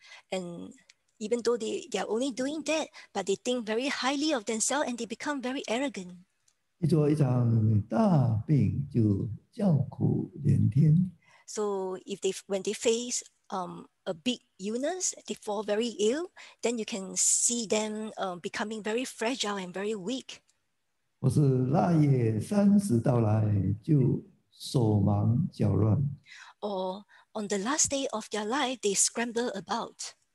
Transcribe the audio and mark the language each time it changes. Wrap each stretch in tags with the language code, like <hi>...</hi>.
<en>and even though they are only doing that, but they think very highly of themselves and they become very arrogant.</en> <zh>一做一场大病就叫苦连天.</zh> <en>So if they, when they face a big illness, they fall very ill, then you can see them becoming very fragile and very weak.</en> <zh>或是腊月三十到来就手忙脚乱.</zh> <en>Or on the last day of their life, they scramble about.</en>